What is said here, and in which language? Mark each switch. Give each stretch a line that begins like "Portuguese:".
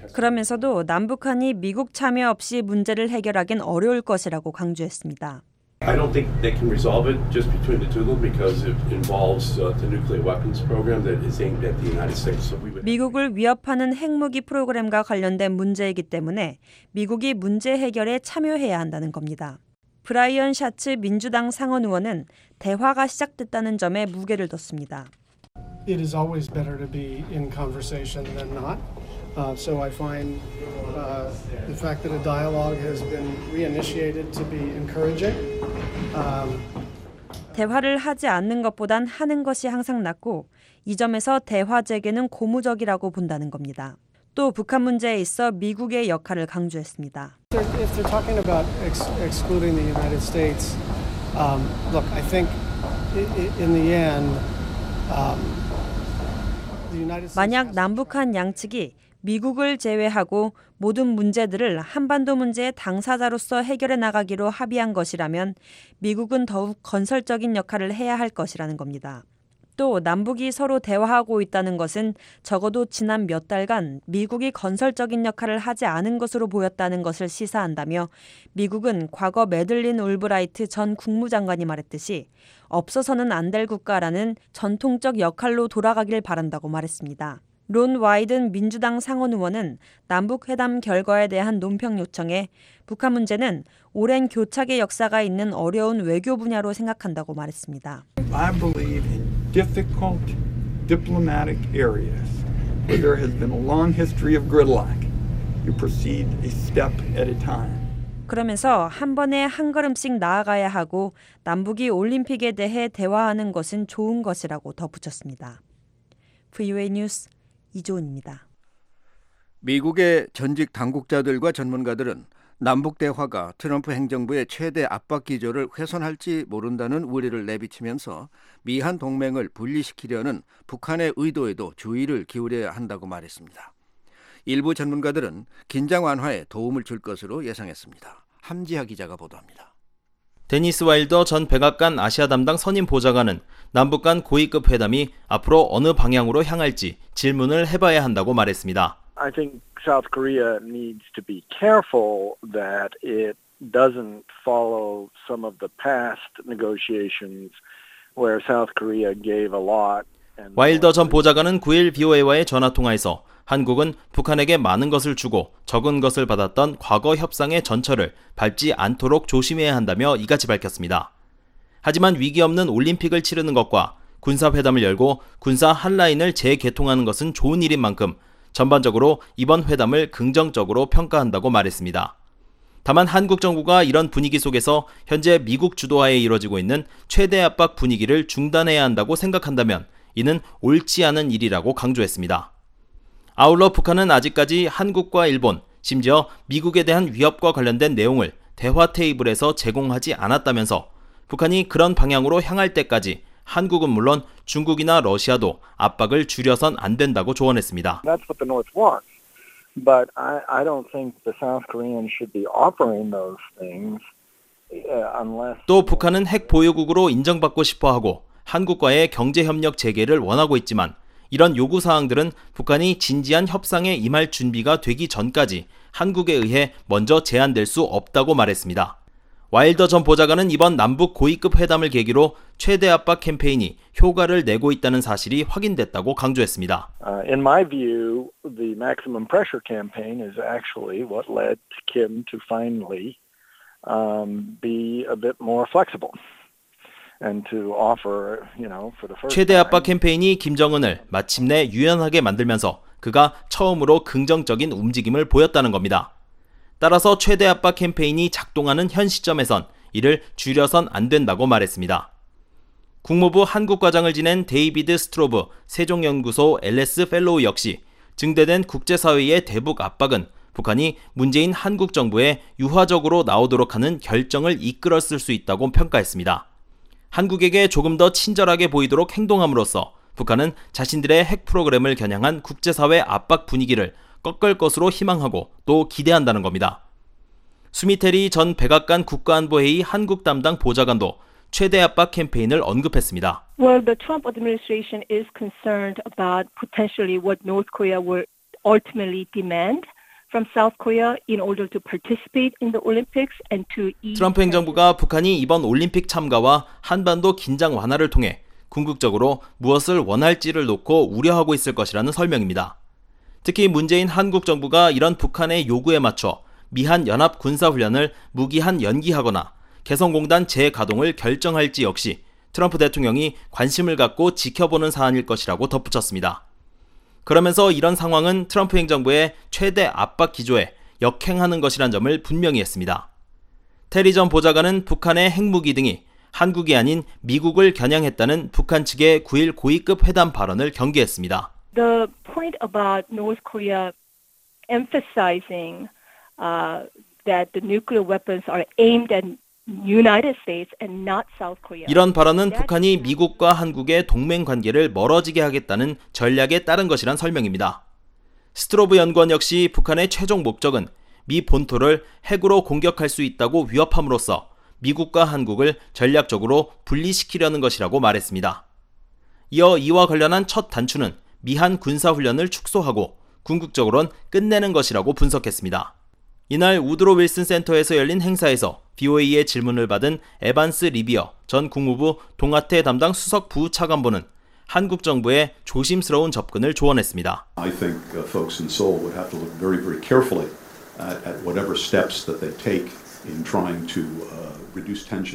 Korean: 그러면서도 남북한이 미국 참여 없이 문제를 해결하긴 어려울 것이라고 강조했습니다.
English: I don't think they can resolve it just between the two of them because it involves the nuclear weapons program that is aimed at the United States. So we would
Korean: 미국을 위협하는 핵무기 프로그램과 관련된 문제이기 때문에 미국이 문제 해결에 참여해야 한다는 겁니다. 브라이언 샤츠 민주당 상원 의원은 대화가 시작됐다는 점에 무게를 뒀습니다.
English: It is always better to be in conversation than not. So I find the fact that a dialogue has been reinitiated to be encouraging.
Korean: 대화를 하지 않는 것보단 하는 것이 항상 낫고 이 점에서 대화 재개는 고무적이라고 본다는 겁니다. 또 북한 문제에 있어 미국의 역할을 강조했습니다.
English: If they're talking about excluding the United States, look, I think in the end.
Korean: 만약 남북한 양측이 미국을 제외하고 모든 문제들을 한반도 문제의 당사자로서 해결해 나가기로 합의한 것이라면 미국은 더욱 건설적인 역할을 해야 할 것이라는 겁니다. 또 남북이 서로 대화하고 있다는 것은 적어도 지난 몇 달간 미국이 건설적인 역할을 하지 않은 것으로 보였다는 것을 시사한다며 미국은 과거 매들린 울브라이트 전 국무장관이 말했듯이 없어서는 안 될 국가라는 전통적 역할로 돌아가길 바란다고 말했습니다. 론 와이든 민주당 상원 의원은 남북회담 결과에 대한 논평 요청에 북한 문제는 오랜 교착의 역사가 있는 어려운 외교 분야로 생각한다고 말했습니다.
English: I believe in difficult diplomatic areas where there has been a long history of gridlock. You proceed a step at a time.
Korean: 그러면서 한 번에 한 걸음씩 나아가야 하고 남북이 올림픽에 대해 대화하는 것은 좋은 것이라고 덧붙였습니다. VOA 뉴스 이조은입니다. 미국의 전직 당국자들과 전문가들은 남북 대화가 트럼프 행정부의 최대 압박 기조를 훼손할지 모른다는 우려를 내비치면서 미한 동맹을 분리시키려는 북한의 의도에도 주의를 기울여야 한다고 말했습니다. 일부 전문가들은 긴장 완화에 도움을 줄 것으로 예상했습니다. 함지하 기자가 보도합니다. 데니스 와일더 전 백악관 아시아 담당 선임 보좌관은 남북 간 고위급 회담이 앞으로 어느 방향으로 향할지 질문을 해봐야 한다고 말했습니다.
English: I think South Korea needs to be careful that it doesn't follow some of the past negotiations where South Korea gave a lot.
Korean: 와일더 전 보좌관은 9일 BOA와의 전화통화에서 한국은 북한에게 많은 것을 주고 적은 것을 받았던 과거 협상의 전철을 밟지 않도록 조심해야 한다며 이같이 밝혔습니다. 하지만 위기 없는 올림픽을 치르는 것과 군사회담을 열고 군사 핫라인을 재개통하는 것은 좋은 일인 만큼 전반적으로 이번 회담을 긍정적으로 평가한다고 말했습니다. 다만 한국 정부가 이런 분위기 속에서 현재 미국 주도하에 이뤄지고 있는 최대 압박 분위기를 중단해야 한다고 생각한다면 이는 옳지 않은 일이라고 강조했습니다. 아울러 북한은 아직까지 한국과 일본, 심지어 미국에 대한 위협과 관련된 내용을 대화 테이블에서 제공하지 않았다면서 북한이 그런 방향으로 향할 때까지 한국은 물론 중국이나 러시아도 압박을 줄여선 안 된다고 조언했습니다.
English: That's what the North wants. But I don't think the South Koreans should be offering those things unless
Korean: 또 북한은 핵 보유국으로 인정받고 싶어 하고 한국과의 경제 협력 재개를 원하고 있지만 이런 요구 사항들은 북한이 진지한 협상에 임할 준비가 되기 전까지 한국에 의해 먼저 제한될 수 없다고 말했습니다. 와일더 전 보좌관은 이번 남북 고위급 회담을 계기로 최대 압박 캠페인이 효과를 내고 있다는 사실이 확인됐다고 강조했습니다.
English: In my view, the maximum pressure campaign is actually what led Kim to finally be a bit more flexible and to offer, you know, for the first
Korean: 최대 압박 캠페인이 김정은을 마침내 유연하게 만들면서 그가 처음으로 긍정적인 움직임을 보였다는 겁니다. 따라서 최대 압박 캠페인이 작동하는 현 시점에선 이를 줄여선 안 된다고 말했습니다. 국무부 한국과장을 지낸 데이비드 스트로브 세종연구소 LS 펠로우 역시 증대된 국제사회의 대북 압박은 북한이 문재인 한국 정부에 유화적으로 나오도록 하는 결정을 이끌었을 수 있다고 평가했습니다. 한국에게 조금 더 친절하게 보이도록 행동함으로써 북한은 자신들의 핵 프로그램을 겨냥한 국제사회 압박 분위기를 꺾을 것으로 희망하고 또 기대한다는 겁니다. 수미테리 전 백악관 국가안보회의 한국 담당 보좌관도 최대 압박 캠페인을 언급했습니다.
English: Well, the Trump administration is concerned about potentially what North Korea will ultimately demand from South Korea in order to participate in the Olympics and to
Korean: 트럼프 행정부가 북한이 이번 올림픽 참가와 한반도 긴장 완화를 통해 궁극적으로 무엇을 원할지를 놓고 우려하고 있을 것이라는 설명입니다. 특히 문재인 한국 정부가 이런 북한의 요구에 맞춰 미한 연합 군사훈련을 무기한 연기하거나 개성공단 재가동을 결정할지 역시 트럼프 대통령이 관심을 갖고 지켜보는 사안일 것이라고 덧붙였습니다. 그러면서 이런 상황은 트럼프 행정부의 최대 압박 기조에 역행하는 것이란 점을 분명히 했습니다. 테리 전 보좌관은 북한의 핵무기 등이 한국이 아닌 미국을 겨냥했다는 북한 측의 9일 고위급 회담 발언을 경계했습니다.
English: The point about North Korea emphasizing that the nuclear weapons are aimed at United States and not South Korea.
Korean: 이런 발언은 북한이 미국과 한국의 동맹 관계를 멀어지게 하겠다는 전략에 따른 것이란 설명입니다. 스트로브 연구원 역시 북한의 최종 목적은 미 본토를 핵으로 공격할 수 있다고 위협함으로써 미국과 한국을 전략적으로 분리시키려는 것이라고 말했습니다. 이어 이와 관련한 첫 단추는 미한 군사훈련을 축소하고 궁극적으로는 끝내는 것이라고 분석했습니다. 이날 우드로 윌슨 센터에서 열린 행사에서 BOA의 질문을 받은 에반스 리비어 전 국무부 동아태 담당 수석 부차관보는 한국 정부의 조심스러운 접근을 조언했습니다.
English: I think folks in Seoul would have to look very, very carefully at whatever steps that they take in trying to reduce tensions.